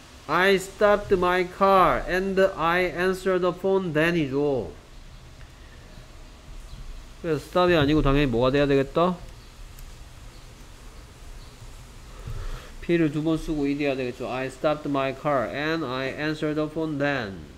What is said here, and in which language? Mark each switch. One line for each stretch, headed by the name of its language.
English: I stopped my car and I answered the phone then이죠.
Korean: 그래서 stop이 아니고 당연히 뭐가 돼야 되겠다? P를 두 번 쓰고 ED 해야 되겠죠.
English: I stopped my car and I answered the phone then.